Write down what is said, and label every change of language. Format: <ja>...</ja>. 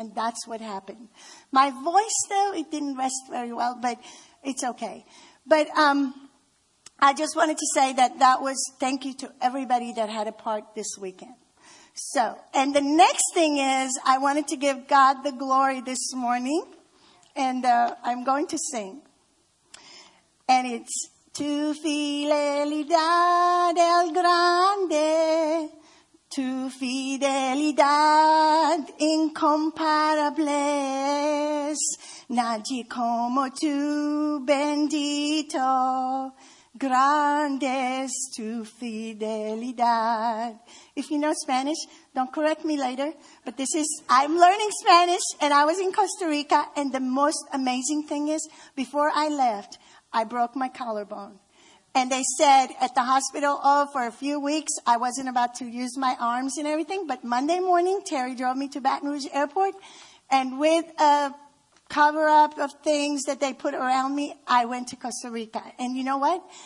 <en>And that's what happened. My voice, though, it didn't rest very well, but it's okay. But I just wanted to say that was thank you to everybody that had a part this weekend. So, and the next thing is, I wanted to give God the glory this morning, and I'm going to sing.</en> <es>And it's, tu fidelidad el grande, tu fidelidad incomparable es, nadie como tú bendito, grande es tu fidelidad.</es> <en>If you know Spanish, don't correct me later, but this is, I'm learning Spanish, and I was in Costa Rica, and the most amazing thing is, before I left, I broke my collarbone. And they said at the hospital, oh, for a few weeks, I wasn't about to use my arms and everything, but Monday morning, Terry drove me to Baton Rouge Airport, and with a cover-up of things that they put around me, I went to Costa Rica. And you know what?</en>